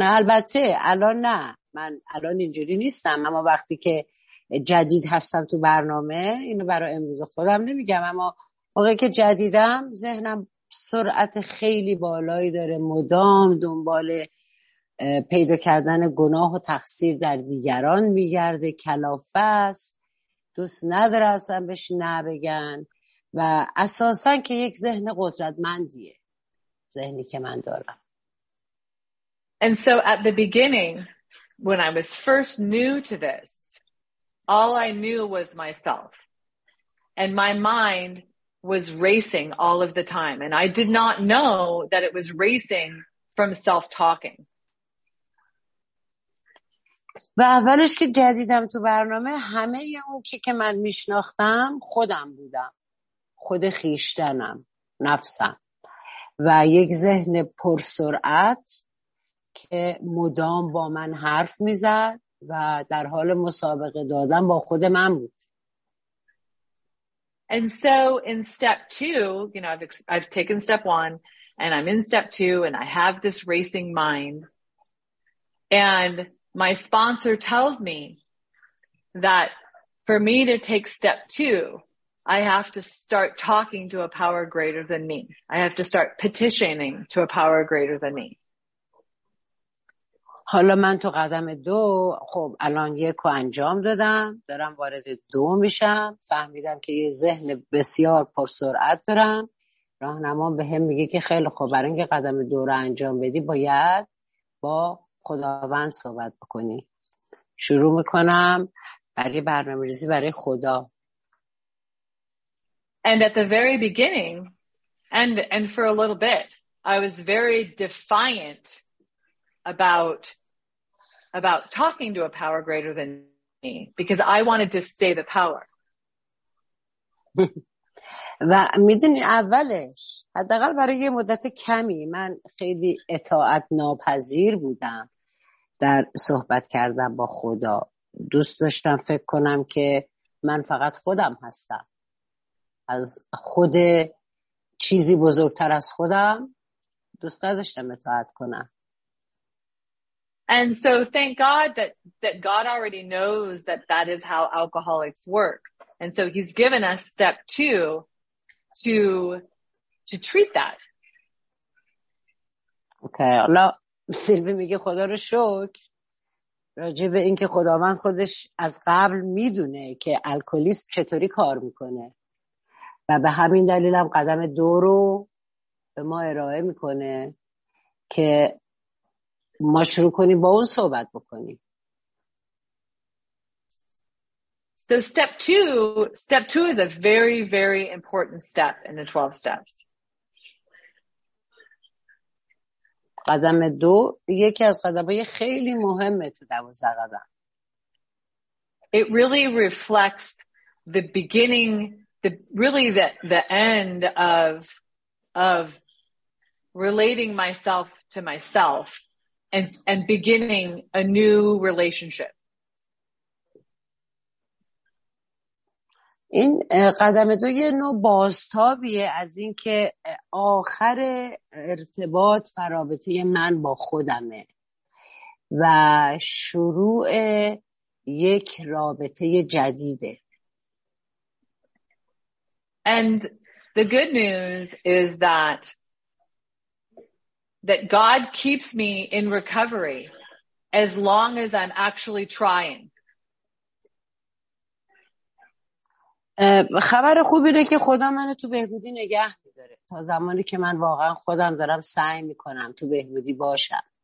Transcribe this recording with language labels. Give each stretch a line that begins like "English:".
Persian: البته الان نه، من الان اینجوری نیستم، اما وقتی که جدید هستم تو برنامه، اینو برای امروز خودم نمیگم، اما وقتی که جدیدم ذهنم سرعت خیلی بالایی داره، مدام دنبال پیدا کردن گناه و تقصیر در دیگران میگرده، کلافه است، دوست نداره اصلا بهش نبگن و اساسا که یک ذهن قدرتمندیه ذهنی که من دارم.
English: And so at the beginning when I was first new to this, all I knew was myself and my mind was racing all of the time and I did not know that it was racing from self-talking.
Persian: و اولش که جدیدم تو برنامه، همه یه اون که من میشناختم خودم بودم، خود خیشتنم، نفسم و یک ذهن پرسرعت که مدام با من حرف میزد و در حال مسابقه دادن با خود من بود.
English: And so in step two, you know, I've taken step one and I'm in step two and I have this racing mind and my sponsor tells me that for me to take step two, I have to start talking to a power greater than me. I have to start petitioning to a power greater than me.
Persian: حالا من تو قدم دو، خب الان یک رو انجام دادم، دارم وارد دو میشم، فهمیدم که یه ذهن بسیار پرسرعت دارم. راهنما به هم میگه که خیلی خوب، برای اینکه قدم دو رو انجام بدی باید با خداوند صحبت بکنی. شروع میکنم برای برنامه ریزی برای خدا.
English: And at the very beginning and for a little bit I was very defiant about talking to a power greater than me because I wanted to stay the power.
Persian: و میدونی اولش حداقل برای یه مدت کمی من خیلی اطاعت ناپذیر بودم در صحبت کردم با خدا. دوست داشتم فکر کنم که من فقط خودم هستم، از خود چیزی بزرگتر از خودم دوست داشتم اطاعت کنم.
English: And so thank God that God already knows that is how alcoholics work. And so he's given us step two to treat that. Okay.
Persian: Allah, Sylvie میگه خدا رو شکر راجع به این که خداوند خودش از قبل میدونه که الکلیسم چطوری کار میکنه و به همین دلیل هم قدم دو رو به ما ارائه میکنه که ما شروع کنیم با اون صحبت بکنیم.
English: So step two is a very, very important step in the 12 steps.
Persian: قدم دو یکی از قدم‌های خیلی مهمه تو 12 قدم.
English: It really reflects the beginning, the end of relating myself to myself and beginning a new relationship.
Persian: این قدم دو یه نوع بازتابیه از این که آخر ارتباط و رابطه من با خودمه و شروع یک رابطه جدیده.
English: And the good news is that God keeps me in recovery as long as I'm actually trying.
Persian: خبر خوب اینه که خدا منو تو بهبودی نگه میداره تا زمانی که من واقعا خودم دارم سعی میکنم تو بهبودی باشم.